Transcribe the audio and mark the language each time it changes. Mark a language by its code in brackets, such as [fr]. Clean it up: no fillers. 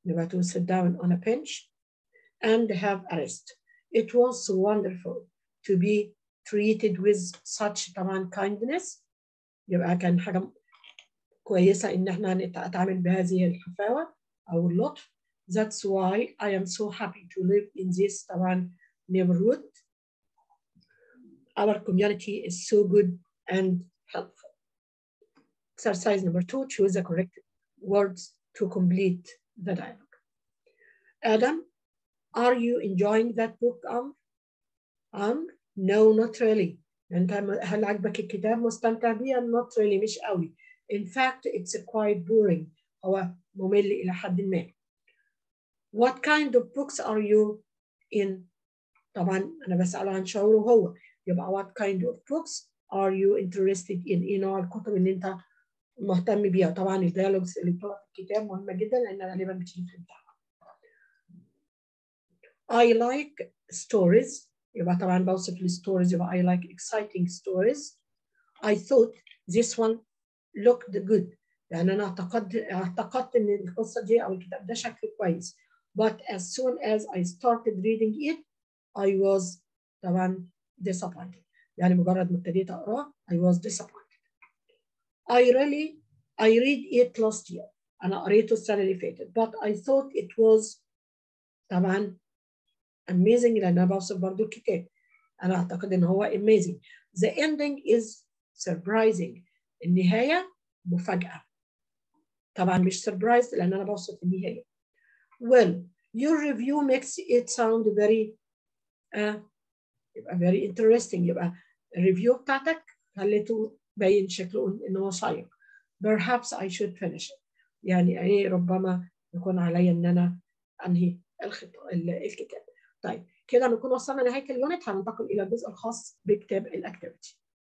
[en] To sit down on a bench and have a rest. It was so wonderful to be treated with such kindness. [ar] يبقى كان حاجة كويسة إن احنا نتعامل بهذه الحفاوة أو اللطف. [en] That's why I am so happy to live in this neighborhood. Our community is so good and helpful. Exercise number 2, choose the correct words to complete the dialogue. Adam, are you enjoying that book, Amr? No, not really. [ar] أنت هل عجبك الكتاب؟ مستمتع بيه؟ [en] Not really, [ar] مش قوي. [en] In fact, it's quite boring. [ar] هو ممل إلى حد ما. [en] What kind of books are you in? [ar] طبعا أنا بسأله عن شعوره هو. [en] يبقى what kind of books are you interested in? [ar] إيه نوع الكتب اللي أنت مهتم بيها؟ طبعا الديالوجز اللي بتوع الكتاب مهمه جدا لان غالبا بتيجي في بتاعها. [en] I like stories. [ar] يبقى طبعا بوصف الستوريز يبقى [en] I like exciting stories. I thought this one looked good. [ar] يعني انا اعتقدت ان القصه دي او الكتاب ده شكله كويس. [en] But as soon as I started reading it, I was طبعا disappointed. [ar] يعني مجرد ما ابتديت اقراه [en] I was disappointed. I read it last year. [ar] أنا قريته السنة اللي فاتت. [en] But I thought it was طبعا amazing [ar] لأن أنا بوصف برضو الكتاب. أنا أعتقد إن هو [en] amazing. The ending is surprising. [ar] النهاية مفاجأة. طبعا مش surprised لأن أنا بوصف النهاية. [en] Well, your review makes it sound very interesting. [ar] يبقى review بتاعتك خليته باين شكله انه شيق. [en] Perhaps I should finish it. [ar] يعني ايه ربما يكون علي ان انا انهي الكتاب. طيب كده نكون وصلنا لنهايه اليونت، هننتقل الى الجزء الخاص بكتاب الاكتيفيتي.